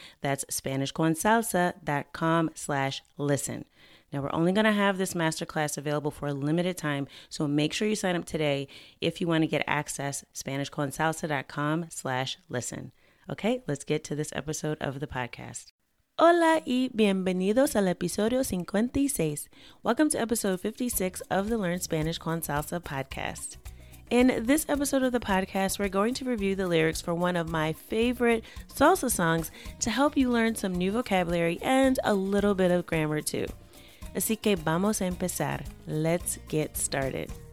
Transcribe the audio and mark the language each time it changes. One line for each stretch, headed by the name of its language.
English: That's SpanishConSalsa.com/listen. Now, we're only going to have this masterclass available for a limited time, so make sure you sign up today if you want to get access, SpanishConSalsa.com/listen. Okay, let's get to this episode of the podcast.
Spanish: Hola y bienvenidos al episodio 56.
English: Welcome to episode 56 of the Learn Spanish con Salsa podcast. In this episode of the podcast, we're going to review the lyrics for one of my favorite salsa songs to help you learn some new vocabulary and a little bit of grammar too.
Spanish: Así que vamos a empezar.
English: Let's get started.